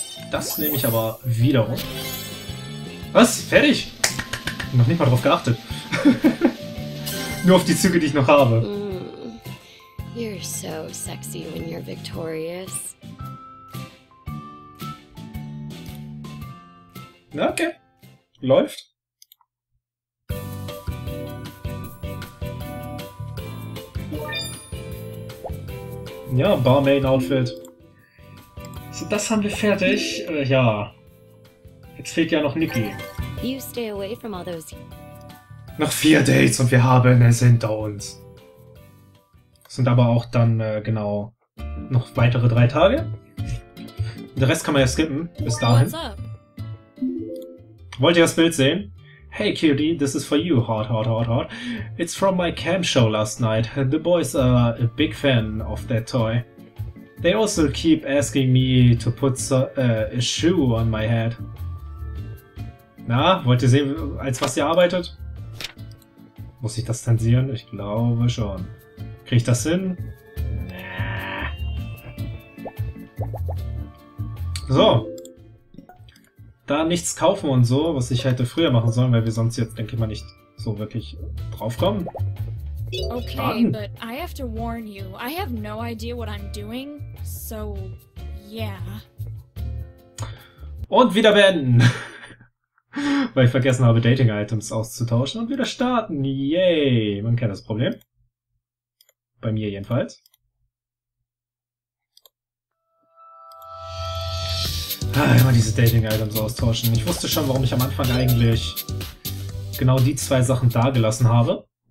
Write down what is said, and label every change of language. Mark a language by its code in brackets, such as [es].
[de] Das nehme ich aber wiederum. Was? Fertig? Noch nicht mal drauf geachtet. Nur auf die Züge, die ich noch habe. [en] You're so sexy when you're victorious. [de] Na, okay. Läuft. Ja, Barmaid-Outfit. So, das haben wir fertig. Ja. Jetzt fehlt ja noch Nikki. [en] You stay away from all those... [de] Noch 4 Dates und wir haben es hinter uns. Sind aber auch dann genau noch weitere 3 Tage. Der Rest kann man ja skippen. Bis dahin. Wollt ihr das Bild sehen? [en] Hey Cutie, this is for you, heart, heart, heart, heart. It's from my camp show last night. The boys are a big fan of that toy. They also keep asking me to put a shoe on my head. [de] Na, wollt ihr sehen, als was ihr arbeitet? Muss ich das zensieren? Ich glaube schon. Krieg ich das hin? Nah. So. Da nichts kaufen und so, was ich hätte früher machen sollen, weil wir sonst jetzt, denke ich mal, nicht so wirklich draufkommen. [en] Okay, but I have to warn you. I have no idea what I'm doing, so yeah. [de] Und wieder beenden! Weil ich vergessen habe, Dating-Items auszutauschen und wieder starten. Yay! Man kennt das Problem. Bei mir jedenfalls. Immer diese Dating-Items austauschen. Ich wusste schon, warum ich am Anfang eigentlich genau die 2 Sachen dagelassen habe.